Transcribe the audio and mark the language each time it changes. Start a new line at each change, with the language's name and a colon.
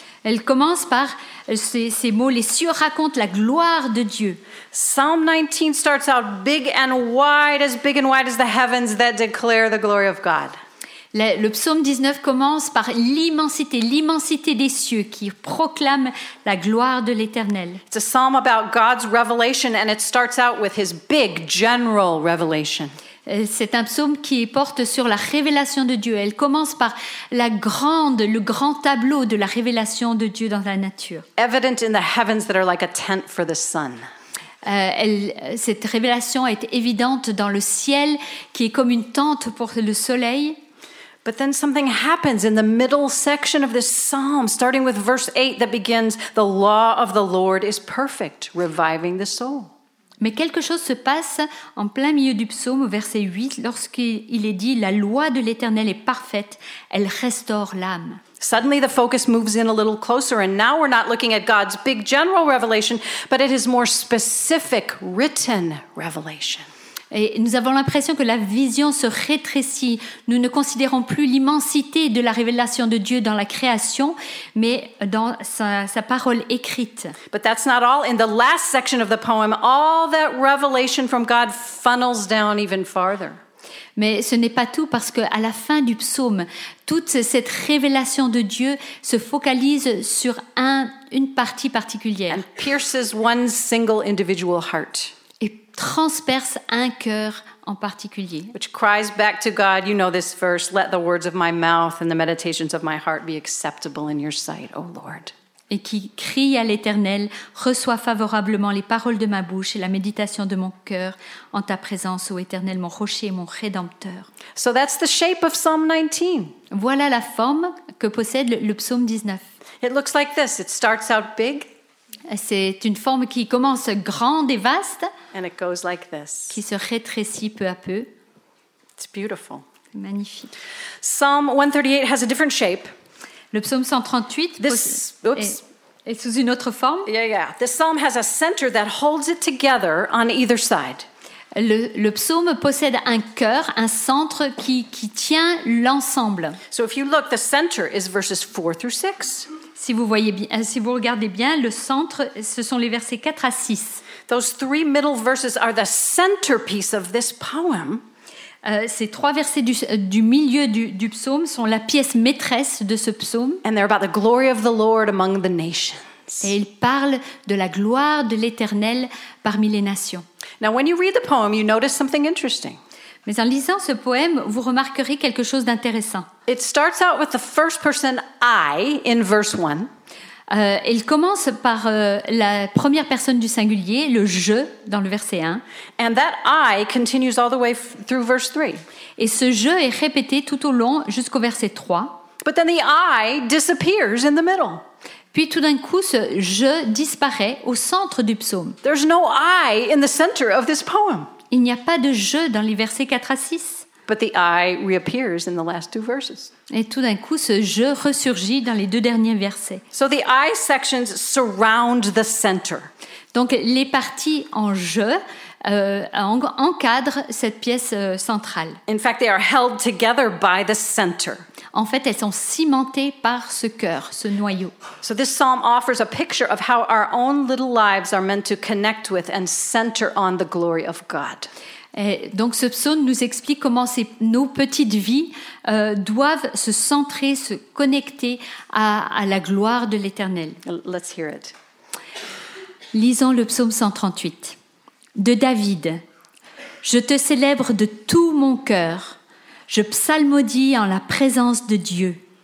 French: Elle commence par ces mots, les cieux racontent la gloire de Dieu.
English: Psalm 19 starts out big and wide as the heavens that declare the glory of God.
French: Le psaume 19 commence par l'immensité des cieux qui proclame la gloire de l'Éternel.
English: It's a psalm about God's revelation and it starts out with His big general revelation.
French: C'est un psaume qui porte sur la révélation de Dieu. Elle commence par le grand tableau de la révélation de Dieu dans la nature.
English: Evident in the heavens that are like a tent for the sun.
French: Cette révélation est évidente dans le ciel qui est comme une tente pour le soleil.
English: But then something happens in the middle section of this psalm, starting with verse 8 that begins, "The law of the Lord is perfect, reviving the soul."
French: Mais quelque chose se passe en plein milieu du psaume, au verset 8, lorsqu'il est dit « La loi de l'Éternel est parfaite, elle restaure l'âme ».
English: Suddenly the focus moves in a little closer, and now we're not looking at God's big general revelation, but at His more specific written revelation.
French: Et nous avons l'impression que la vision se rétrécit. Nous ne considérons plus l'immensité de la révélation de Dieu dans la création, mais dans sa parole écrite.
English: But that's not all. In the last section of the poem, all that revelation from God funnels down even farther.
French: Mais ce n'est pas tout, parce qu'à la fin du psaume, toute cette révélation de Dieu se focalise sur une partie particulière.
English: And pierces one single individual heart.
French: Et transperce un cœur en particulier.
English: Which cries back to God, you know this verse, let the words of my mouth and the meditations of my heart be acceptable in your sight, O Lord.
French: Et qui crie à l'Éternel, reçois favorablement les paroles de ma bouche et la méditation de mon cœur en ta présence, ô Éternel, mon rocher et mon rédempteur.
English: So that's the shape of Psalm 19.
French: Voilà la forme que possède le psaume 19.
English: It looks like this. It starts out big.
French: C'est une forme qui commence grande et vaste.
English: And it goes like this.
French: Qui se rétrécit peu à peu.
English: It's beautiful.
French: Magnifique.
English: Psalm 138 has a different shape.
French: Le psaume 138 est sous une autre forme.
English: Yeah, yeah. The psalm has a center that holds it together on either side.
French: Le psaume possède un cœur, un centre qui tient l'ensemble.
English: So if you look, the center is verses 4 through 6.
French: Si vous regardez bien, le centre, ce sont les versets 4 à 6.
English: Those three middle verses are the centerpiece of this poem.
French: Ces trois versets du milieu du psaume sont la pièce maîtresse de ce psaume.
English: And they're about the glory of the Lord among the nations.
French: Et il parle de la gloire de l'Éternel parmi les nations.
English: Now, when you read the poem, you notice something interesting.
French: Mais en lisant ce poème, vous remarquerez quelque chose d'intéressant.
English: It starts out with the first person I in verse 1.
French: Il commence par la première personne du singulier, le « je » dans le verset 1.
English: And that I continues all the way through verse 3.
French: Et ce « je » est répété tout au long jusqu'au verset 3.
English: But then the I disappears in the middle.
French: Puis tout d'un coup, ce « je » disparaît au centre du psaume.
English: There's no I in the center of this poem.
French: Il n'y a pas de « je » dans les versets 4 à 6.
English: But the I reappears in the last two verses.
French: Et tout d'un coup, ce je ressurgit dans les deux derniers versets.
English: So the I sections surround the center.
French: Donc les parties en je encadrent cette pièce centrale.
English: In fact, they are held together by the center.
French: En fait, elles sont cimentées par ce cœur, ce noyau.
English: So this psalm offers a picture of how our own little lives are meant to connect with and center on the glory of God.
French: Et donc ce psaume nous explique comment nos petites vies doivent se centrer, se connecter à la gloire de l'Éternel.
English: Let's hear it.
French: Lisons le psaume 138 de David. Je te célèbre de tout mon cœur. Je psalmodie en la présence de Dieu.